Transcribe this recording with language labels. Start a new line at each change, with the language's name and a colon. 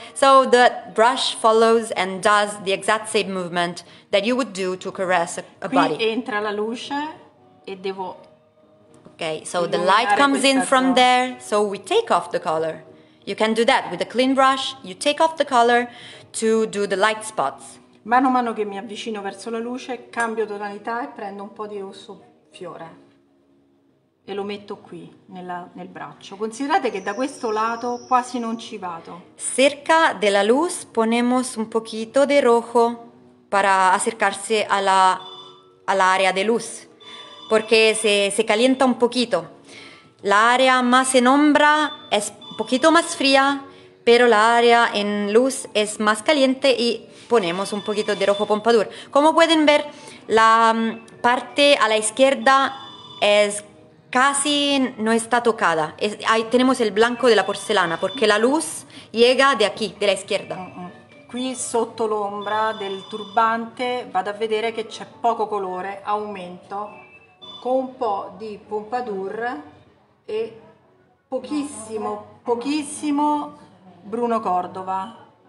English: So the brush follows and does the exact same movement that you would do to caress a body.
Italian: Qui entra la luce e devo...
English: Okay, so the light comes in from there, so we take off the color. You can do that with a clean brush. You take off the color to do the light spots.
Italian: Mano a mano che mi avvicino verso la luce, cambio tonalità e prendo un po' di rosso fiore. E lo metto qui, nel braccio. Considerate che da questo lato quasi non ci vado.
Spanish: Cerca della luce ponemos un pochito di rojo para acercarse all'area de luz. Porque se calienta un poquito. La área más en sombra es un poquito más fría, pero la área en luz es más caliente y ponemos un poquito de rojo pompadour. Como pueden ver, la parte a la izquierda es casi no está tocada. Ahí tenemos el blanco de la porcelana, porque la luz llega de aquí, de la izquierda.
Italian: Qui sotto l'ombra del turbante vado a vedere che c'è poco colore, aumento. Con un po' di pompadour e pochissimo, pochissimo Bruno Cordova.